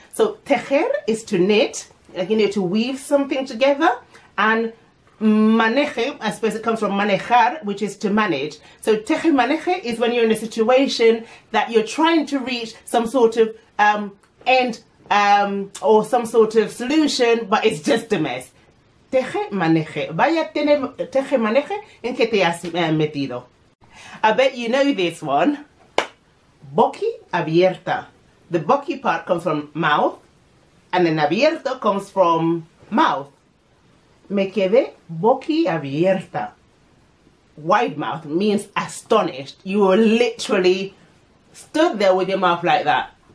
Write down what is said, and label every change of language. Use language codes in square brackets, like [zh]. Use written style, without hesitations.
[en] So tejer is to knit, like, you know, to weave something together, and maneje, I suppose it comes from manejar, which is to manage. So teje maneje is when you're in a situation that you're trying to reach some sort of end or some sort of solution, but it's just a mess. [es] Teje maneje. Vaya teje maneje en que te has metido. [en] I bet you know this one. Boqui abierta. The boqui part comes from mouth, and then abierto comes from mouth. [es] Me quedé boquiabierta. [en] Wide mouth means astonished. You were literally stood there with your mouth like that.